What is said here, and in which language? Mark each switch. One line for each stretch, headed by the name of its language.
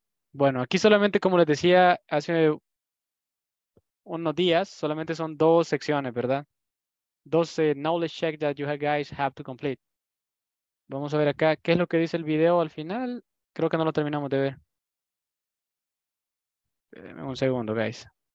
Spanish: Bueno, aquí solamente, como les decía hace unos días, solamente son dos secciones, ¿verdad?
English: Dos knowledge check that you guys have to complete.
Spanish: Vamos a ver acá qué es lo que dice el video al final. Creo que no lo terminamos de ver. Espérenme un segundo, guys.